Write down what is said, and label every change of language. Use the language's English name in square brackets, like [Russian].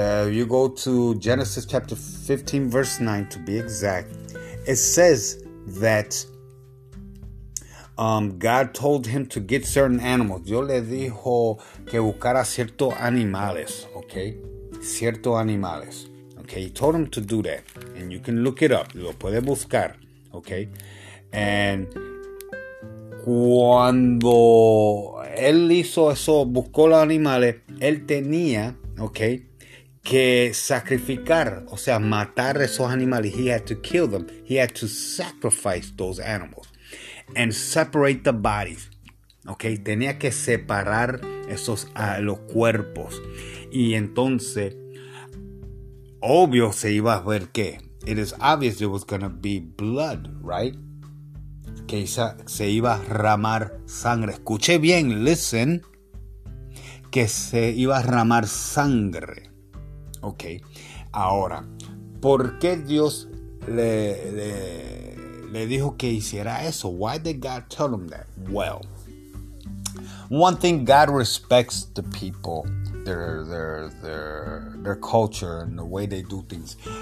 [English] You go to Genesis chapter 15, verse 9, to be exact. It says that God told him to get certain animals. [Spanish] Dios le dijo que buscara ciertos animales, okay? Ciertos animales, [English] okay? He told him to do that. And you can look it up. [Spanish] Lo puede buscar, okay? And cuando él hizo eso, buscó los animales, él tenía, okay, que sacrificar, o sea, matar esos animales. [English] He had to kill them. He had to sacrifice those animals and separate the bodies. [Spanish] Okay, tenía que separar esos los cuerpos. Y entonces, obvio se iba a ver que [English] it is obvious there was gonna be blood, right? [Spanish] Que se iba a derramar sangre. Escuche bien, [English] listen, [Spanish] que se iba a derramar sangre. Okay, ahora, ¿por qué Dios le dijo que hiciera eso? [English] Why did God tell him that? Well, one thing, God respects the people, their culture and the way they do things.